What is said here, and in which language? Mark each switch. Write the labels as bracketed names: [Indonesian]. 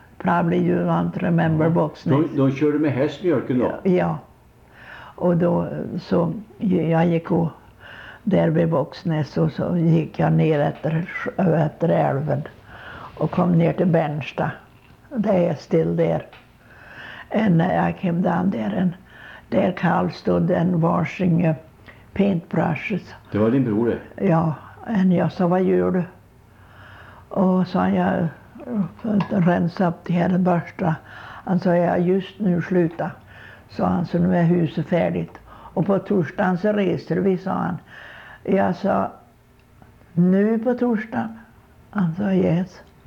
[English] Probably you don't remember boxen. [Swedish] Då körde med hästmjölken då? Ja. Och då så jag gick och där vid Våxnäs och så gick jag ner efter älven och kom ner till Bernsta. Det är [English] still there. And I came down there and there Carl stood and washing paintbrushes. [Swedish] Det var din bror det? Ja. And jag sa, vad gör du? Och så jag för att rensa upp det här börsta. Han sa, jag just nu sluta. Så han sa, nu är huset färdigt. Och på torsdagen så reser vi, sa han. Jag sa, nu på torsdagen? Han sa, yes.